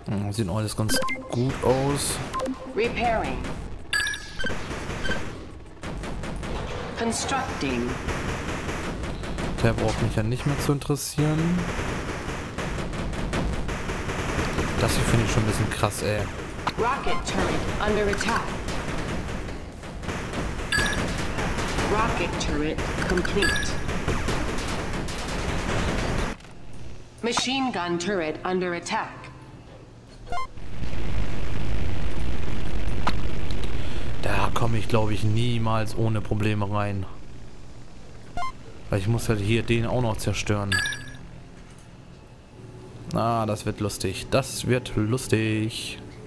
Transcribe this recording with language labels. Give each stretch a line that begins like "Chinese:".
German: Sieht alles ganz gut aus. Repairing. Constructing. Der braucht mich ja nicht mehr zu interessieren. Das hier finde ich schon ein bisschen krass, ey.
English: Rocket turret under attack. Rocket turret complete. Machine gun turret under attack.
German: Da komme ich, glaube ich, niemals ohne Probleme rein. Weil ich muss halt hier den auch noch zerstören. Ah, das wird lustig. Das wird lustig.